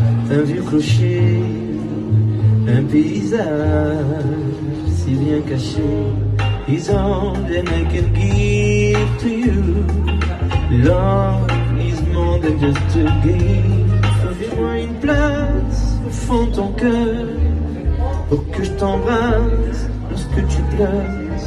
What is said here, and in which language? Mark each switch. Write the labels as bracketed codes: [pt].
[fr] Un vieux clocher, un paysage si bien caché. [en] Is all that I can give to you. Love is more than just a game. [fr] Fais-moi une place au fond de ton cœur pour que je t'embrasse lorsque tu pleures.